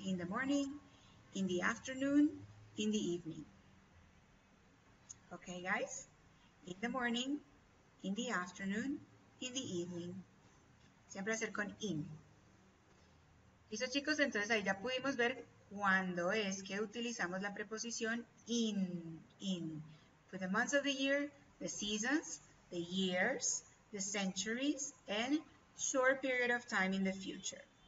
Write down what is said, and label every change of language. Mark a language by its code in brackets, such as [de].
[en] In the morning, in the afternoon, in the evening. Okay, guys? In the morning, in the afternoon, in the evening. [es] Siempre va a ser con in. ¿Listo, chicos? Entonces, ahí ya pudimos ver cuándo es que utilizamos la preposición in. [en] In. For the months of the year, the seasons, the years, the centuries, and short period of time in the future.